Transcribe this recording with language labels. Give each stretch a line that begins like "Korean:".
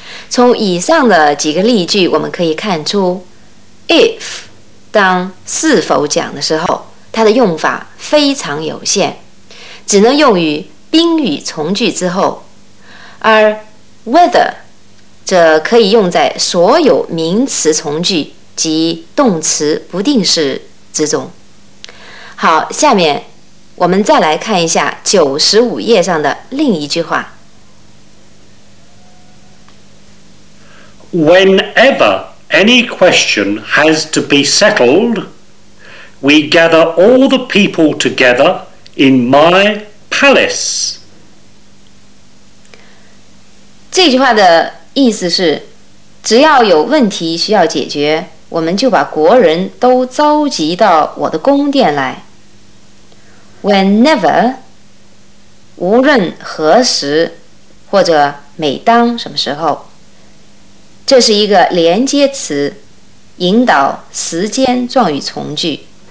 Chinese: 从以上的几个例句我们可以看出， if 当是否讲的时候，它的用法非常有限，只能用于宾语从句之后，而 whether 则可以用在所有名词从句及动词不定式之中。好，下面我们再来看一下95页上的另一句话。
English: Whenever any question has to be settled, we gather all the people together in my palace.
Chinese: 这句话的意思是，只要有问题需要解决，我们就把国人都召集到我的宫殿来。 Whenever, 无论何时或者每当什么时候，这是一个连接词，引导时间状语从句。